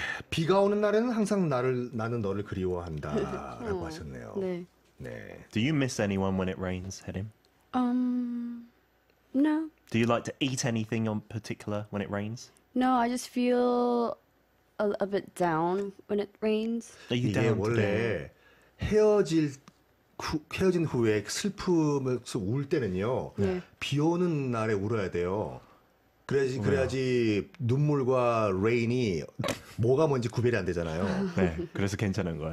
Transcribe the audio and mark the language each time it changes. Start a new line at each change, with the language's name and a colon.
Korean: 비가 오는 날에는 항상 나를 나는 너를 그리워한다라고 어. 하셨네요. 네. 네.
English: Do you miss anyone when it rains, Helim? No. Do you like to eat anything in particular when it rains? No, I just feel a bit down when it rains. Are you down?
Korean: 이게 원래 헤어진 후에 슬픔을 울 때는요. 네. 비 오는 날에 울어야 돼요. 그래야지 눈물과 레인이 뭐가 뭔지 구별이 안 되잖아요. 네, 그래서 괜찮은 거예요.